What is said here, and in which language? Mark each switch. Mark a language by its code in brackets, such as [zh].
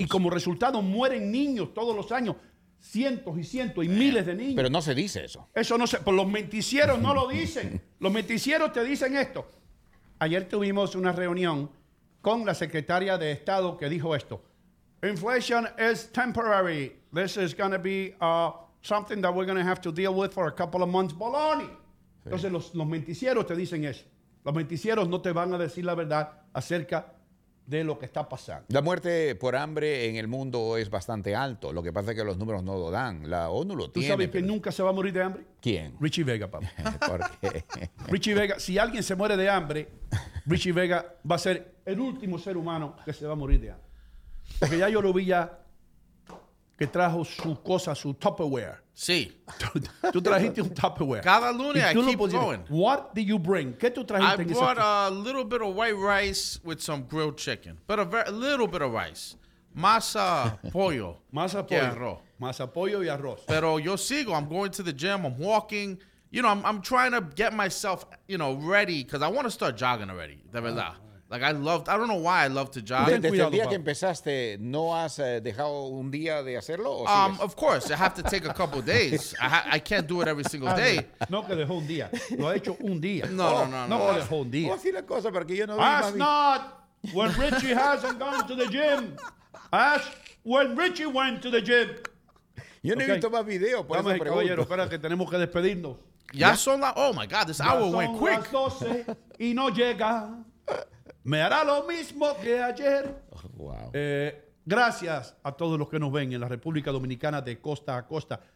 [es] Y como resultado mueren niños todos los años, cientos y cientos y miles de niños. Pero no se dice eso. Eso no se, pues los menticieros no lo dicen. Los menticieros te dicen esto. Ayer tuvimos una reunión con la secretaria de Estado que dijo esto. [en] Inflation is temporary. This is going to be something that we're going to have to deal with for a couple of months. Baloney. [es] Sí. Entonces los menticieros te dicen eso. Los menticieros no te van a decir la verdad acerca de lo que está pasando. La muerte por hambre en el mundo es bastante alto. Lo que pasa es que los números no lo dan. La ONU lo ¿Tú tiene. ¿Tú sabes que nunca se va a morir de hambre? ¿Quién? Richie Vega, papá. ¿Por qué? Richie Vega. Si alguien se muere de hambre, Richie Vega va a ser el último ser humano que se va a morir de hambre. Porque ya yo lo vi ya que trajo su cosa, su Tupperware. Sí. Tú trajiste un Tupperware. Cada lunes [en] I keep going. What did you bring? [es] ¿Qué tú trajiste? [en] I brought a little bit of white rice with some grilled chicken. But a little bit of rice. [es] Masa pollo. Masa pollo. Y arroz. Masa pollo y arroz. Pero yo sigo. [en] I'm going to the gym. I'm walking. You know, I'm trying to get myself, you know, ready. Because I want to start jogging already. [es] De verdad. [en] Like I don't know why I love to jog. [es] Desde el día que empezaste, ¿no has dejado un día de hacerlo? ¿O [en] Of course, I have to take a couple of days. I can't do it every single day. [es] No que dejó un día, lo ha hecho un día. No, dejó un día. Así la cosa, porque yo no. [en] Ask not when Richie hasn't gone to the gym. Ask when Richie went to the gym. [es] Yo no he visto más videos, por eso pregunto. Caballero, espera que tenemos que despedirnos. Ya son las. [en] Oh my God, this hour went quick. [es] Ya son las 12 y no llega. Me hará lo mismo que ayer. Wow. Gracias a todos los que nos ven en la República Dominicana de costa a costa.